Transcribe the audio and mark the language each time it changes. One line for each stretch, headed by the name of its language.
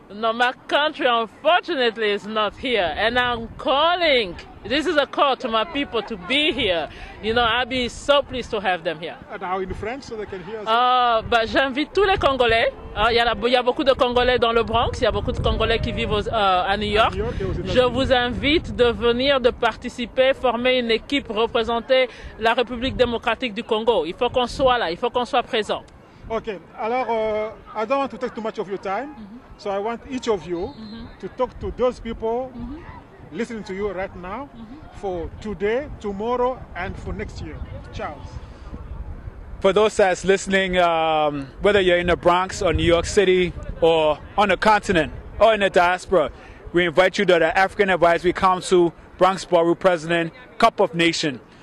English: No, my country unfortunately is not here, and I'm calling. This is a call to my people to be here. You know, I'd be so pleased to have them here. And how in French so they can hear us?
French: But j'invite tous les Congolais. Il y a beaucoup de Congolais dans le Bronx. Il y a beaucoup de Congolais qui vivent à New York. Je vous invite de venir, de participer, former une équipe, représenter la République démocratique du Congo. Il faut qu'on soit là. Il faut qu'on soit présent.
English: Okay. Alors, I don't want to take too much of your time. So I want each of you to talk to those people listening to you right now for today, tomorrow, and for next year. Charles. For those that's listening, whether you're in the Bronx or New York City or on the continent or in the diaspora, we invite you to the African Advisory Council Bronx Borough President Cup of Nation.